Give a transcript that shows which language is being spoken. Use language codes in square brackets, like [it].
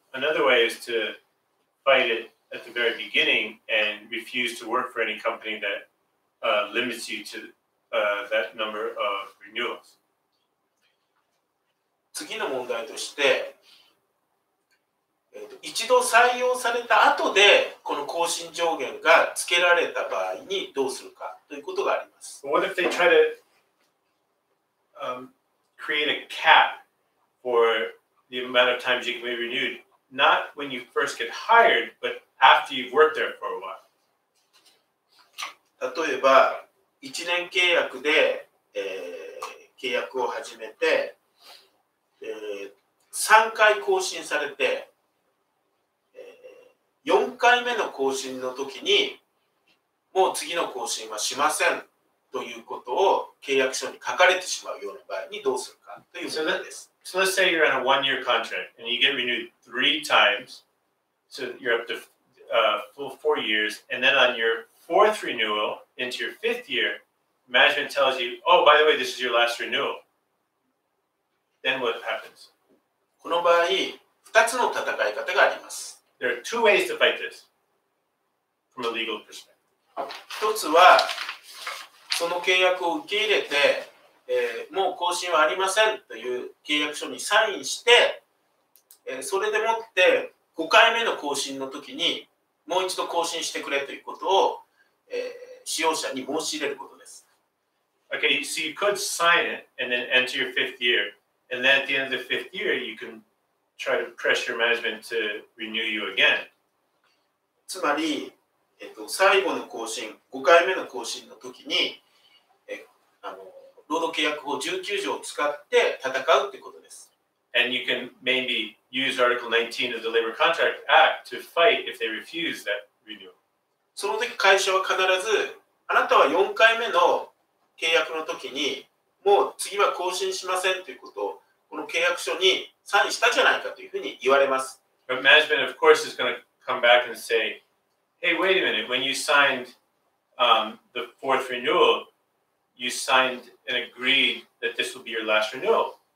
[en] Another way is to fight it at the very beginning and refuse to work for any company that limits you to that number of renewals. [ja] 次の問題として、一度採用された後でこの更新上限がつけられた場合にどうするかということがあります。 [en] But what if they try to create a cap for the amount of times you can be renewed?Not when you first get hired, but after you've worked there for a while. [ja] 例えば1年契約で、契約を始めて、3回更新されて、4回目の更新の時にもう次の更新はしませんということを契約書に書かれてしまうような場合にどうするかという問題です。 [en] So let's say you're on a one year contract and you get renewed three times, so you're up to full 4 years, and then on your fourth renewal into your fifth year, management tells you, oh, by the way, this is your last renewal. Then what happens? [ja] この場合、2つの戦い方があります。 [en] There are two ways to fight this from a legal perspective. [ja] 一つはその契約を受け入れて、もう更新はありませんという契約書にサインして、それでもって5回目の更新の時にもう一度更新してくれということを、使用者に申し入れることです。 [en] Okay, so you could sign it and then enter your fifth year, and then at the end of the fifth year you canTry to pressure management to renew you again. [ja] つまり、最後の更新、5回目の更新の時に、労働契約法19条を使って戦うってことです。 [en] And you can maybe use Article 19 of the Labor Contract Act to fight if they refuse that renewal. [ja] その時会社は必ず、あなたは4回目の契約の時に、もう次は更新しませんということを、この契約書にサインしたじゃないかというふうに言われます。 [en] But management, of course, is going to come back and say, hey, wait a minute, when you signed the fourth renewal, you signed and agreed that this will be your last renewal.